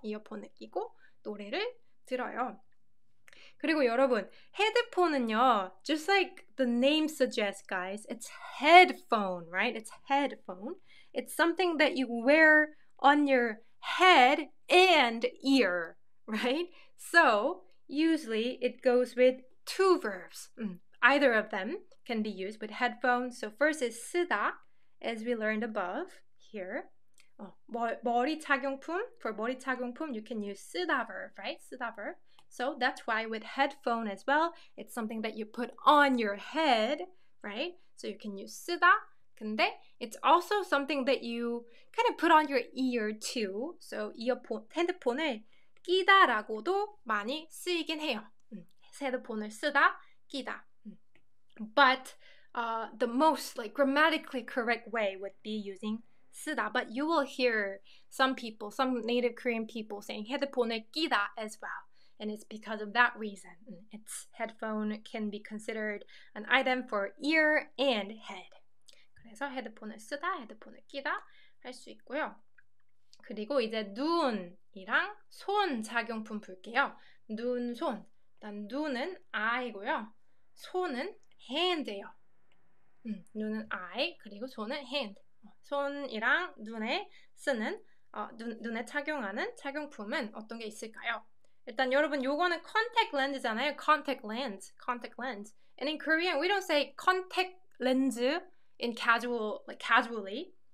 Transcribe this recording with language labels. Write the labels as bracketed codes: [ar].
[ko] 이어폰을 끼고 노래를 들어요. 그리고 여러분, 헤드폰은요, [en] just like the name suggests, guys, it's headphone, right? It's headphone. It's something that you wear on your head and ear, right? So, usually, it goes with two verbs. Either of them can be used with headphones. So, first is 쓰다, as we learned above here. 머리 착용품, for 머리 착용품, you can use 쓰다 verb, right? 쓰다 verb. So that's why with headphone as well, it's something that you put on your head, right? So you can use 쓰다. [ko] 근데 [en] it's also something that you kind of put on your ear too. [ko] So 이어폰, 헤드폰을 끼다라고도 많이 쓰이긴 해요. 헤드폰을 쓰다, 끼다. [en] But the most like grammatically correct way would be using 쓰다. But you will hear some people, some native Korean people saying 헤드폰을 끼다 as well. And it's because of that reason. It's headphone can be considered an item for ear and head. [ko] 그래서 헤드폰을 쓰다, 헤드폰을 끼다 할 수 있고요. 그리고 이제 눈이랑 손 작용품 볼게요. 눈, 손. 일단 눈은 eye고요. 손은 hand예요. 눈은 eye, 그리고 손은 hand. 손이랑 눈에 쓰는, 눈에 착용하는 착용품은 어떤 게 있을까요? 일단 여러분 요거는 contact lens잖아요. Contact lens. Contact lens. [en] And in Korean, we don't say contact lens in casual, like casually.